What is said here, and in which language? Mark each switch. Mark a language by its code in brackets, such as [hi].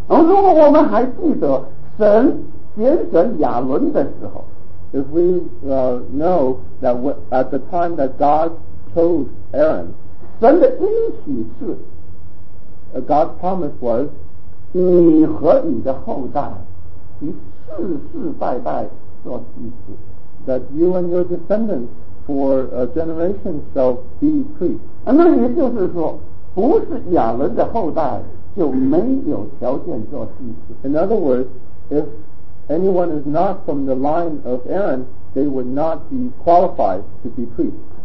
[en] If we know that at the time that God chose Aaron, God's promise was, that you and your descendants for a generation shall be priest. [zh] 那也就是说，不是亚伦的后代就没有条件做祭司。 [en] In other words, if anyone is not from the line of Aaron, they would not be qualified to be priest.